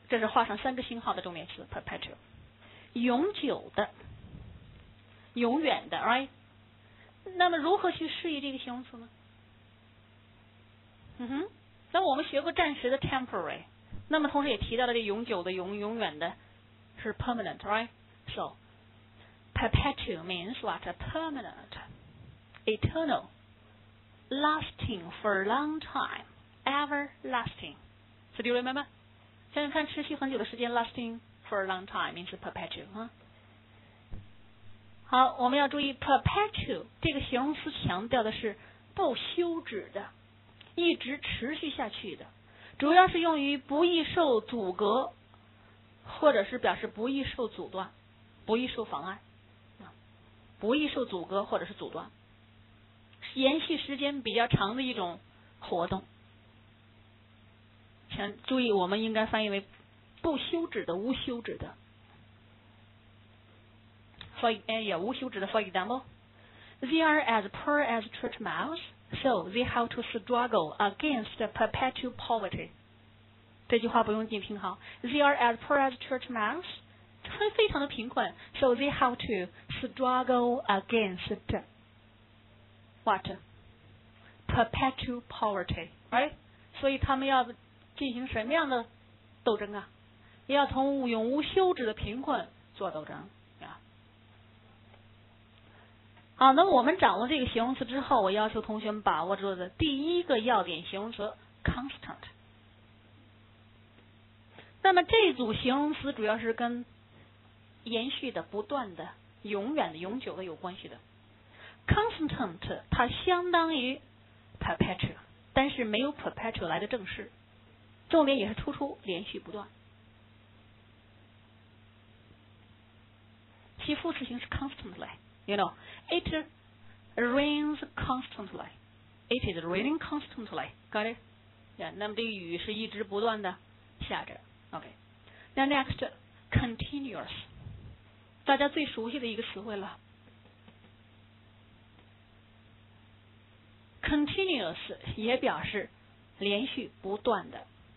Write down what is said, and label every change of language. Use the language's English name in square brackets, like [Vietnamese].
[Chinese] 这是画上三个星号的重点词 perpetual, 永久的、永远的 ， [English] right? [Chinese] 那么如何去适宜这个形容词呢？嗯哼，那我们学过暂时的 temporary，那么同时也提到了这永久的永远的是 permanent, [English] right? So, perpetual means what? Permanent, eternal, lasting for a long time, everlasting. So do you remember? [Chinese] 现在看持续很久的时间 [English] lasting for a long time means perpetual, huh? [Chinese] 好，我们要注意 perpetual 这个形容词强调的是不休止的，一直持续下去的，主要是用于不易受阻隔，或者是表示不易受阻断，不易受妨碍，不易受阻隔或者是阻断，延续时间比较长的一种活动。请注意，我们应该翻译为不休止的、无休止的。无休止的 [English] for example, they are as poor as church mouse, so they have to struggle against perpetual poverty. [Chinese] 这句话不用静听好。 [English] They are as poor as church mouse, [Chinese] 他们非常的贫困 [English] so they have to struggle against what? Perpetual poverty, right? [Chinese] 所以他们要进行什么样的斗争啊？要从永无休止的贫困做斗争。好，那么我们掌握这个形容词之后，我要求同学们把握住的第一个要点形容词 constant。那么这组形容词主要是跟延续的、不断的、永远的、永久的有关系的。 constant 它相当于 perpetual， 但是没有 perpetual 来的正式，重点也是突出连续不断。其副词形是 [English] constantly，You know, it rains constantly. It is raining constantly. Got it? [Chinese] Yeah, 那么这雨是一直不断的下着。 [English] Okay. Now next, continuous. [Chinese] 大家最熟悉的一个词汇了。 Continuous 也表示连续不断的。